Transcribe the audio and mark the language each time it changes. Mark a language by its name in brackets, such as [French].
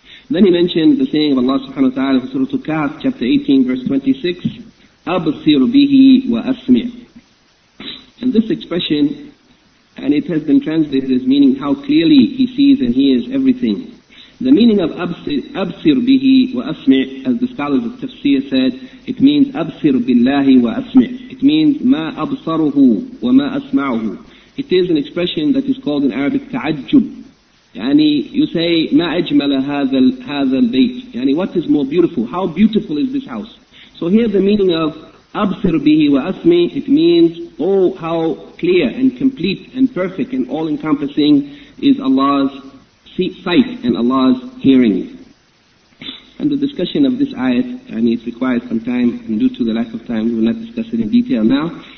[English] Then he mentioned the saying of Allah subhanahu wa ta'ala in Surah Al-Kahf, chapter 18, verse 26, [Arabic] أبصر به وأسمع. [English] And this expression, and it has been translated as meaning how clearly he sees and hears everything. The meaning of [Arabic] أبصر به وأسمع, [English] as the scholars of tafsir said, it means [Arabic] أبصر بالله وأسمع. [English] It means [Arabic] ما أبصره وما أسمعه. [English] It is an expression that is called in Arabic تعجب. [Arabic] يعني [English] you say [Arabic] ما أجمل هذا البيت. يعني [English] what is more beautiful? How beautiful is this house? So here the meaning of [Arabic] أبصر به وأسمع, [English] it means, oh, how clear and complete and perfect and all-encompassing is Allah's sight and Allah's hearing. And the discussion of this ayat, it requires some time, and due to the lack of time, we will not discuss it in detail now.